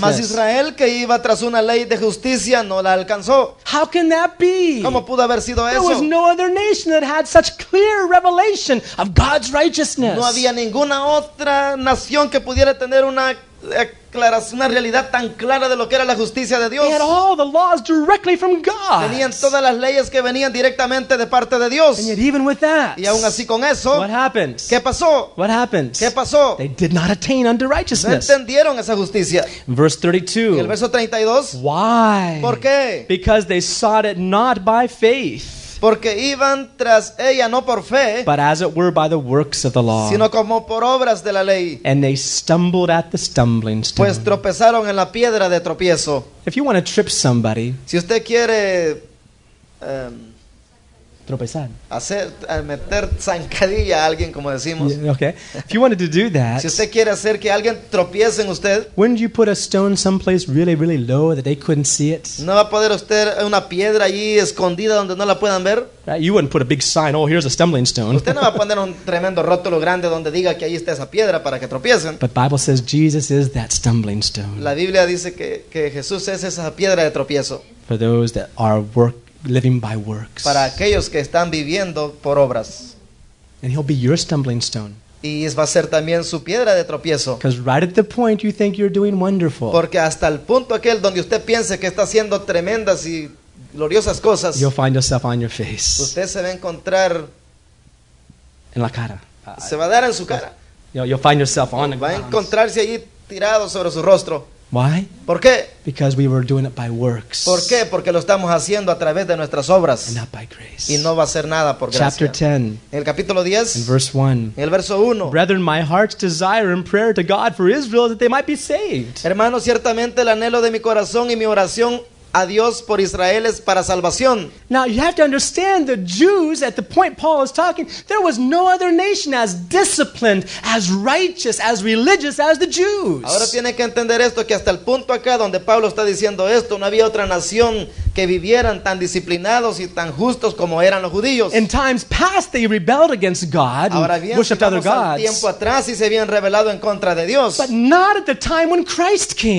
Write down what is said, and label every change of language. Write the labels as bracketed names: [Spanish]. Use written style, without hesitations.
[Spanish] Mas Israel, que iba tras una ley de justicia, no la alcanzó. [English] How can that be? [Spanish] ¿Cómo pudo haber sido [English] there [Spanish] eso? [English] There was no other nation that had such clear revelation of God's righteousness. [Spanish] No había ninguna otra nación que pudiera tener una declaración, una realidad tan clara de lo que era la justicia de Dios. [English] They had all the laws directly from God. [Spanish] Tenían todas las leyes que venían directamente de parte de Dios. [English] And yet even with that, [Spanish] y aún así con eso, [English] what happened? [Spanish] ¿Qué pasó? [English] What happened? [Spanish] ¿Qué pasó? [English] They did not attain unto righteousness. [Spanish] No entendieron esa justicia. [English] Verse 32. [Spanish] Y el verso 32. [English] Why? [Spanish] ¿Por qué? [English] Because they sought it not by faith. [Spanish] Porque iban tras ella no por fe, [English] but as it were by the works of the law, [Spanish] sino como por obras de la ley. [English] And they stumbled at the stumbling stone. [Spanish] Pues tropezaron en la piedra de tropiezo. [English] If you want to trip somebody, [Spanish] si usted quiere tropezar, hacer meter zancadilla a alguien, como decimos. [English] Yeah, okay. If you wanted to do that, [Spanish] si usted quiere hacer que alguien tropiece en usted, [English] wouldn't you put a stone someplace really, really low that they couldn't see it? [Spanish] No va a poder usted una piedra allí escondida donde no la puedan ver. [English] You wouldn't put a big sign, oh, here's a stumbling stone. [Spanish] Usted no va a poner un tremendo rótulo grande donde diga que ahí está esa piedra para que tropiecen. [English] But Bible says Jesus is that stumbling stone. [Spanish] La Biblia dice que Jesús es esa piedra de tropiezo. [English] For those that are work. Living by works. [Spanish] Para aquellos que están viviendo por obras. [English] And he'll be your stumbling stone. [Spanish] Y va a ser también su piedra de tropiezo. [English] Because right at the point you think you're doing wonderful. [Spanish] Porque hasta el punto aquel donde usted piense que está haciendo tremendas y gloriosas cosas. [English] You'll find yourself on your face. [Spanish] Usted se va a encontrar en la cara. Se va a dar en su cara. [English] You'll find yourself on the ground. [Spanish] Va a encontrarse allí tirado sobre su rostro. [English] Why? [Spanish] ¿Por qué? [English] Because we were doing it by works. [Spanish] ¿Por qué? Porque lo estamos haciendo a través de nuestras obras. [English] And not by grace. [Spanish] Y no va a ser nada por gracia. [English] Chapter 10. [Spanish] El capítulo 10. [English] In verse 1. [Spanish] El verso 1. [English] Brethren, my heart's desire and prayer to God for Israel is that they might be saved. [Spanish] Hermanos, ciertamente el anhelo de mi corazón y mi oración a Dios por Israel es para salvación. [English] Now you have to understand the Jews at the point Paul is talking, there was no other nation as disciplined, as righteous, as religious as the Jews. [Spanish] Ahora tiene que entender esto, que hasta el punto acá donde Pablo está diciendo esto, no había otra nación que vivieran tan disciplinados y tan justos como eran los judíos. [English] In times past, they rebelled against God and worshipped other gods. [Spanish] Tiempo atrás y se habían rebelado en contra de Dios. [English] But not at the time when Christ came.